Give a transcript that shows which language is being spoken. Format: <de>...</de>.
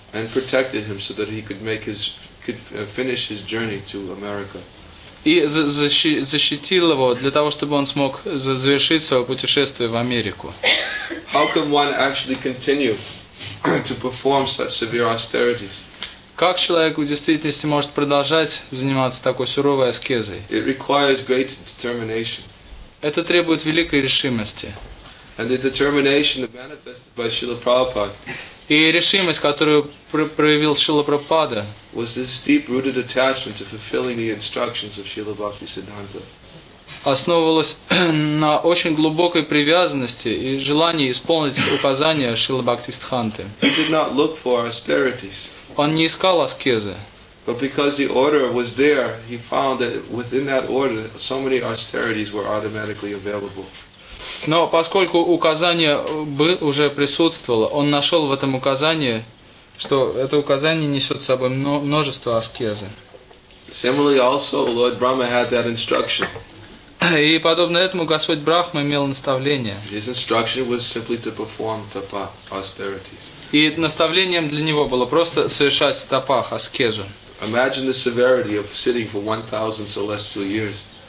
<en>And protected him so that he could make his could finish his journey to America.</en> <ru>И защитил его для того, чтобы он смог завершить свое путешествие в Америку.</ru> <en>How can one actually continue to perform such severe austerities?</en> <ru>Как человек в действительности может продолжать заниматься такой суровой аскезой?</ru> <en>It requires great determination.</en> <ru>Это требует великой решимости.</ru> <en>And the determination manifested by Srila Prabhupada.</en> <ru>И решимость, которую проявил Шрила Прабхупада,</ru> <en>was this deep-rooted attachment to fulfilling the instructions of Srila Bhakti Siddhanta.</en> <ru>Основывалась на очень глубокой привязанности и желании исполнить указания Шрилы Бхакти Сиддханты.</ru> <en>He did not look for austerities.</en> <ru>Он не искал аскезы.</ru> <en>But because the order was there, he found that within that order, so many austerities were automatically available.</en> <ru>Но поскольку указание уже присутствовало, он нашел в этом указании, что это указание несет с собой множество аскезы.</ru> <en>Similarly, also Lord Brahma had that instruction.</en> <ru>И подобно этому Господь Брахма имел наставление.</ru> <en>His instruction was simply to perform tapa austerities.</en> <ru>И наставлением для него было просто совершать тапах, аскезу.</ru> <en>Imagine the severity of sitting for 1,000 celestial years.</en>